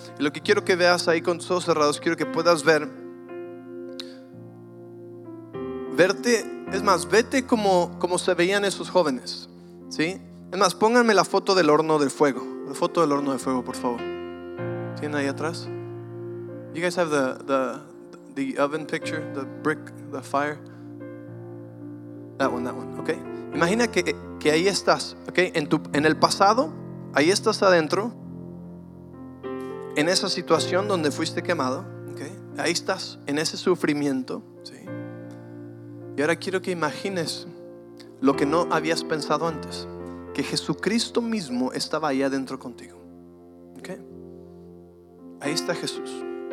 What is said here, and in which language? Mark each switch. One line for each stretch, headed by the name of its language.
Spanish: Y lo que quiero que veas ahí con tus ojos cerrados, quiero que puedas ver. Verte, es más, vete como se veían esos jóvenes, ¿sí? Es más, pónganme la foto del horno de fuego. La foto del horno de fuego, por favor. ¿Tienen ahí atrás?
English: You guys have the oven picture, the brick, the fire. That one, okay.
Spanish: Imagina que ahí estás, okay, en el pasado, ahí estás adentro, en esa situación donde fuiste quemado, okay, ahí estás, en ese sufrimiento, ¿sí? Y ahora quiero que imagines lo que no habías pensado antes, que Jesucristo mismo estaba ahí adentro contigo, okay. Ahí está Jesús.